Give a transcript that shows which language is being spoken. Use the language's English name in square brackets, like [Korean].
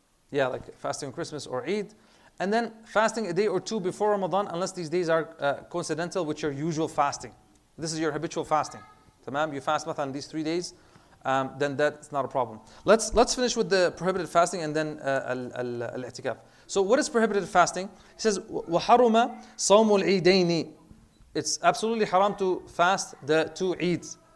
[English] yeah, like fasting on Christmas or Eid. And then fasting a day or two before Ramadan, unless these days are coincidental with your usual fasting. This is your habitual fasting. Tamam, you fast on these 3 days, then that's not a problem. Let's finish with the prohibited fasting and then al-i'tikaf. So what is prohibited fasting? He says, [Arabic] وَحَرُمَ صَوْمُ الْعِيدَيْنِ. [English] It's absolutely haram to fast the two Eids.